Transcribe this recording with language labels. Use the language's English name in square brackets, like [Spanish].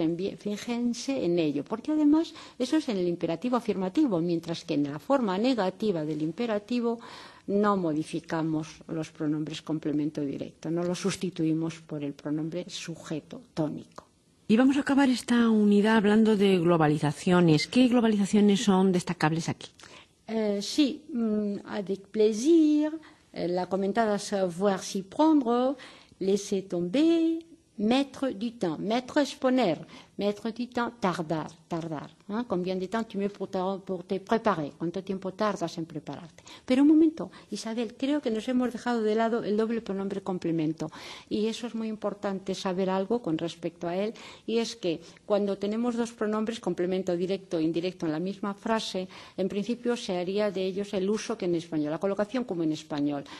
[Spanish] Fíjense en ello, porque además eso es en el imperativo afirmativo, mientras que en la forma negativa del imperativo no modificamos los pronombres complemento directo, no los sustituimos por el pronombre sujeto tónico. Y vamos a acabar esta unidad hablando de globalizaciones. ¿Qué globalizaciones son destacables aquí? [French] Sí, avec plaisir, [Spanish] la comentada [French] savoir s'y prendre, laisser tomber, mettre du temps. Mettre [Spanish] es poner, [French] mettre du temps, tardar. Combien de temps tu mets pour te préparer? [Spanish] ¿Cuánto tiempo tardas en prepararte? Pero un momento, Isabel, creo que nos hemos dejado de lado el doble pronombre complemento. Y eso es muy importante saber algo con respecto a él. Y es que cuando tenemos dos pronombres, complemento directo e indirecto en la misma frase, en principio se haría de ellos el uso que en español, la colocación como en español.